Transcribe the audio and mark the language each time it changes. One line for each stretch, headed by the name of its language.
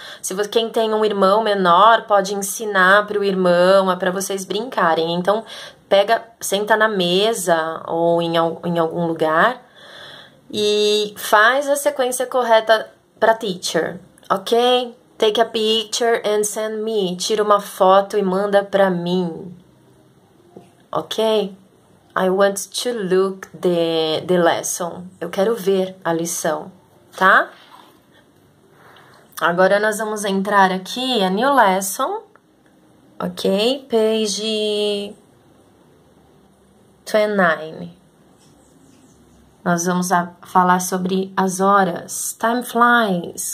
Portuguese: Se você, quem tem um irmão menor, pode ensinar para o irmão, é para vocês brincarem. Então, pega, senta na mesa ou em algum lugar e faz a sequência correta para teacher, ok?
English: Take a picture and send me.
Portuguese: Tira uma foto e manda para mim, ok?
English: I want to look the lesson.
Portuguese: Eu quero ver a lição, tá? Agora nós vamos entrar aqui,
English: a new lesson.
Portuguese: Ok?
English: Page 29.
Portuguese: Nós vamos falar sobre as horas.
English: Time flies.